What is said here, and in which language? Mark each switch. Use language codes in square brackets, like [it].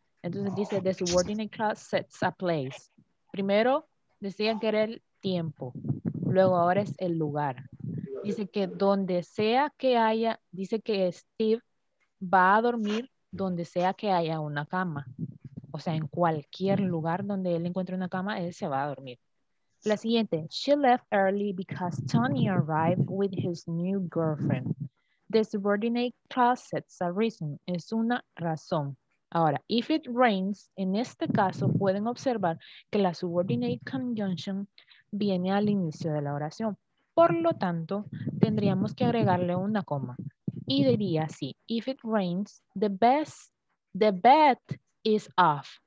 [es] Entonces dice [en] the subordinate clause sets a place. [es] Primero decían que era el tiempo, luego ahora es el lugar. Dice que donde sea que haya, dice que Steve va a dormir donde sea que haya una cama. O sea, en cualquier lugar donde él encuentre una cama, él se va a dormir. La siguiente. [en] She left early because Tony arrived with his new girlfriend. The subordinate clause sets a reason. [es] Es una razón. Ahora, [en] if it rains, [es] en este caso pueden observar que la subordinate conjunction viene al inicio de la oración. Por lo tanto, tendríamos que agregarle una coma. Y diría así. [en] If it rains, the bed is off.